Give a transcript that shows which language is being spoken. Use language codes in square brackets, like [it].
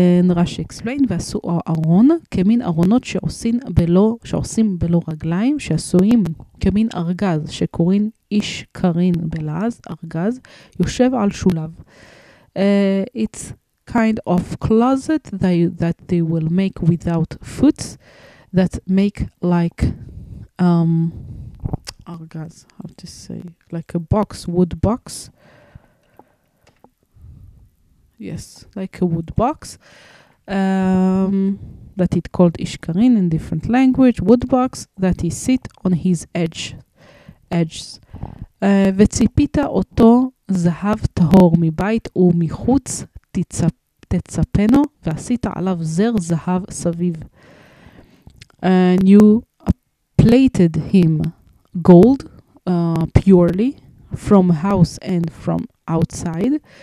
[en] רש אקספלין, [he] ועשו ארון כמין ארונות שעושים בלא רגליים, שעשויים כמין ארגז שקוראים איש קרין בלעז, ארגז יושב על שולב. [en] It's kind of closet that they will make without foot, that make like ארגז, how to say, like a box, wood box. Yes, like a wood box, that it called Ishkarin in different language, wood box, that he sit on his edges. [he] וציפית אותו זהב טהור מבית ומחוץ תצפנו, ועשית עליו זר זהב סביב. [en] And you plated him gold, purely, from house and from outside.